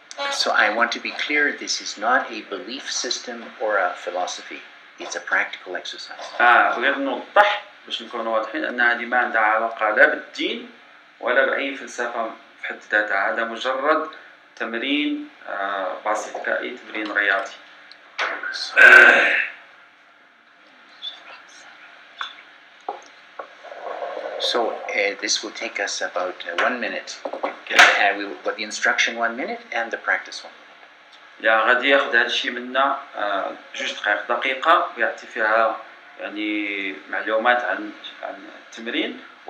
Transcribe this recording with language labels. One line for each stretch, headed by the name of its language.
English: so I want to be clear this is not a belief system or a philosophy it's a practical exercise
Arabic: بغيت نوضح باش نكونوا واضحين ان هذه ما عندها علاقة لا بالدين ولا بأي فلسفة في حد ذاتها هذا مجرد تمرين بسيط كأي تمرين رياضي.
English: So this will take us about 1 minute. Okay. We will put the instruction 1 minute and the practice 1 minute.
Arabic: Yeah, غادي ياخذ هذا الشيء منا جوج دقائق دقيقة ويعطي فيها يعني معلومات عن التمرين.